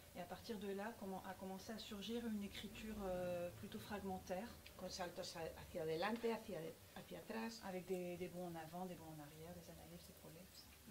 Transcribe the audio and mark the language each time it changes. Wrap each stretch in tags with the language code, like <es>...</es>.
<fr>Et à partir de là, a commencé à surgir une écriture plutôt fragmentaire.</fr> <es>Con saltos hacia adelante, hacia atrás.</es> <fr>Avec des bons en avant, des bons en arrière, des analepses, des prolepses.</fr>